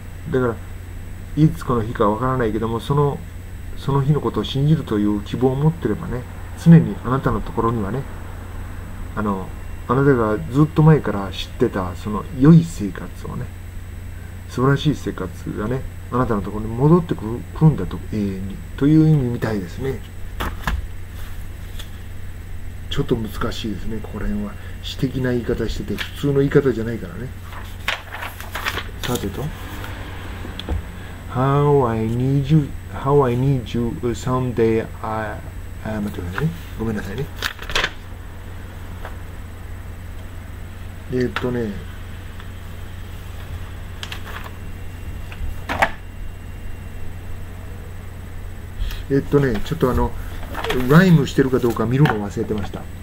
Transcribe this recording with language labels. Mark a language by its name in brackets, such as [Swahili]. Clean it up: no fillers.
[Japanese] だからいつこの日かわからないけども、その日のことを信じるという希望を持ってればね、常にあなたのところにはね、あのあなたがずっと前から知ってたその良い生活をね、素晴らしい生活がね、あなたのところに戻ってくる、来るんだと、永遠に、という意味みたいですね。ちょっと難しいですね、ここら辺は。詩的な言い方してて、普通の言い方じゃないからね。 [English] さてと、How I need you, How I need you someday, I, [Japanese] 待ってくださいね。ごめんなさいね。ね、ちょっとあのライムしてるかどうか見るの忘れてました。